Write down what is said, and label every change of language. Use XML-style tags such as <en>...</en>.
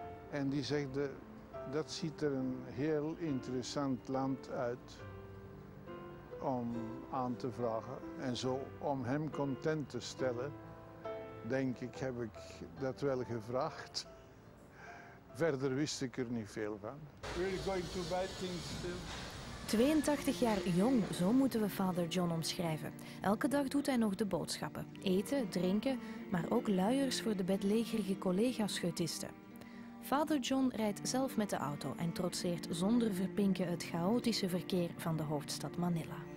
<nl>En die zegde, dat ziet er een heel interessant land uit om aan te vragen. En zo om hem content te stellen, denk ik, heb ik dat wel gevraagd. Verder wist ik er niet veel van.</nl> <en>We're going to buy things still.</en> <nl>82 jaar jong, zo moeten we vader John omschrijven. Elke dag doet hij nog de boodschappen. Eten, drinken, maar ook luiers voor de bedlegerige collega-schutisten. Vader John rijdt zelf met de auto en trotseert zonder verpinken het chaotische verkeer van de hoofdstad Manila.</nl>